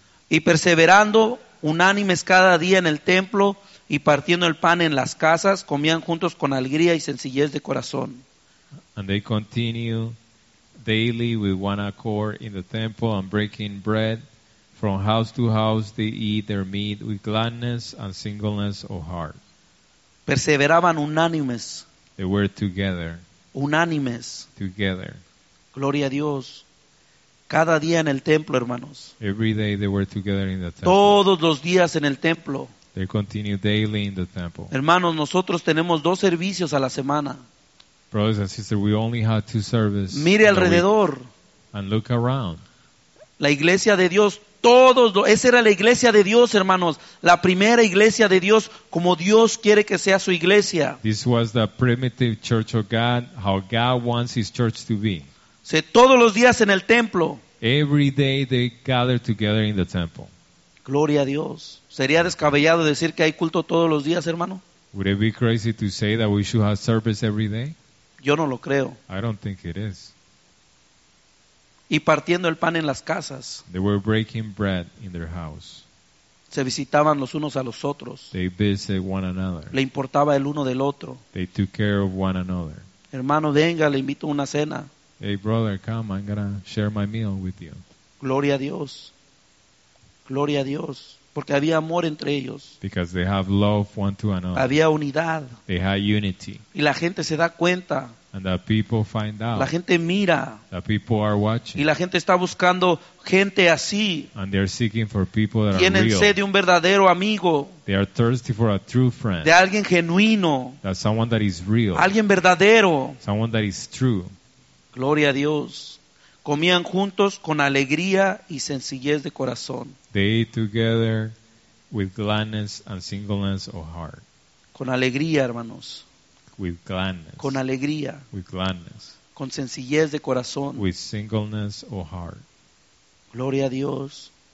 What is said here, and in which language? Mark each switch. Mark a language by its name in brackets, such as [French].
[Spanish] y perseverando unánimes cada día en el templo y partiendo el pan en las casas, comían juntos con alegría y sencillez de corazón. [English] And they continue daily with one accord in the temple and breaking bread. From house to house they eat their meat with gladness and singleness of heart. [Spanish] Perseveraban unánimes. [English] They were together. [Spanish] Unánimes. [English] Together. [Spanish] Gloria a Dios. Cada día en el templo, hermanos. [English] Every day they were together in the temple. [Spanish] Todos los días en el templo. [English] They continued daily in the temple. [Spanish] Hermanos, nosotros tenemos dos servicios a la semana. [English] Brothers and sisters, we only had two services. [Spanish] Mire alrededor. [English] And look around. [Spanish] La iglesia de Dios, todos, esa era la iglesia de Dios, hermanos. La primera iglesia de Dios, como Dios quiere que sea su iglesia. [English] This was the primitive church of God, how God wants His church to be. [Spanish] Se todos los días en el templo. [English] Every day they gather together in the temple. [Spanish] Gloria a Dios. ¿Sería descabellado decir que hay culto todos los días, hermano? [English] Would it be crazy to say that we should have service every day? [Spanish] Yo no lo creo. [English] I don't think it is. [Spanish] Y partiendo el pan en las casas. [English] They were breaking bread in their house. [Spanish] Se visitaban los unos a los otros. [English] They visited one another. [Spanish] Le importaba el uno del otro. [English] They took care of one another. [Spanish] Hermano, venga, le invito a una cena. [English] Hey brother, come, I'm gonna share my meal with you. [Spanish] Gloria a Dios. Gloria a Dios. Porque había amor entre ellos. [English] Because they have love one to another. [Spanish] Había unidad. [English] They had unity. [Spanish] Y la gente se da cuenta. [English] And the people find out. [Spanish] La gente mira. [English] The people are watching. [Spanish] Y la gente está buscando gente así. [English] And they are seeking for people that [Spanish] tienen [English] are real. [Spanish] Sed de un verdadero amigo. [English] They are thirsty for a true friend. [Spanish] De alguien genuino. [English] That someone that is real. [Spanish] Alguien verdadero. [English] Someone that is true. [Spanish] Gloria a Dios. Comían juntos con alegría y sencillez de corazón. [English] They ate together with gladness and singleness of heart. [Spanish] Con alegría, hermanos. [English] With gladness. [Spanish] Con alegría. [English] With gladness. [Spanish] Con sencillez de corazón. [English] With singleness of heart. [Spanish] Gloria a Dios.